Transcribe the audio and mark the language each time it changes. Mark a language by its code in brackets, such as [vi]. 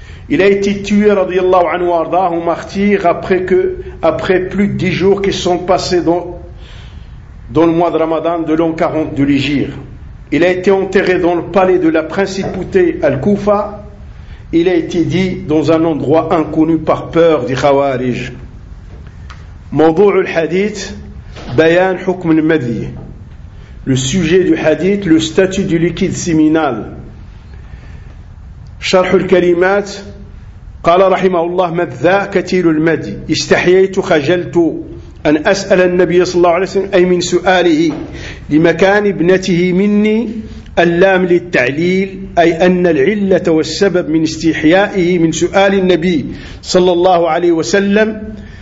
[fr] Il a été tué radiyallahu anhu arda au martyr après plus de 10 jours qui sont passés dans le mois de Ramadan de l'an 40 de l'Hijr. Il a été enterré dans le palais de la principauté Al-Kufa. Il a été dit dans un endroit inconnu par peur des Khawarij. [ar] موضوع الحديث بيان حكم المذي. [fr] Le sujet du hadith, le statut du liquide seminal. [ar] شرح الكلمات قال رحمه الله مذى كثير المذي استحييت خجلت أن أسأل النبي صلى الله عليه وسلم أي من سؤاله لمكان ابنته مني اللام للتعليل أي أن العلة والسبب من استحيائه من سؤال النبي صلى الله عليه وسلم